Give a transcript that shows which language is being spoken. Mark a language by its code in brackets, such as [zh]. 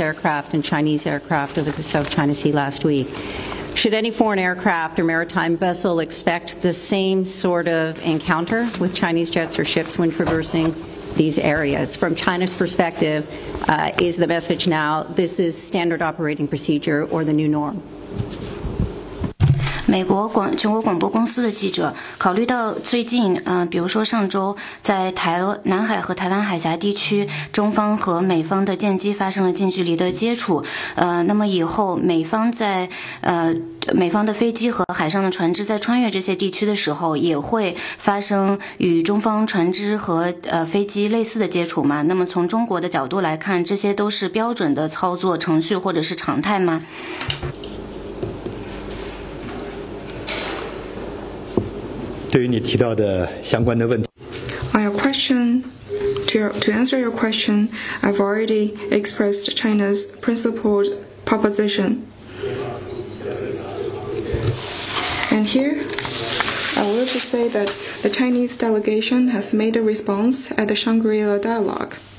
[en] aircraft and Chinese aircraft over the South China Sea last week, should any foreign aircraft or maritime vessel expect the same sort of encounter with Chinese jets or ships when traversing these areas? From China's perspective, is the message now this is standard operating procedure or the new norm? [zh] 美国全国广播公司的记者，考虑到最近，比如说上周在南海和台湾海峡地区，中方和美方的舰机发生了近距离的接触，那么以后美方的飞机和海上的船只在穿越这些地区的时候，也会发生与中方船只和飞机类似的接触吗？那么从中国的角度来看，这些都是标准的操作程序或者是常态吗？对于你提到的相关的问题。 [en] On your question, to answer your question, I've already expressed China's principled proposition. And here, I will just say that the Chinese delegation has made a response at the Shangri-La dialogue.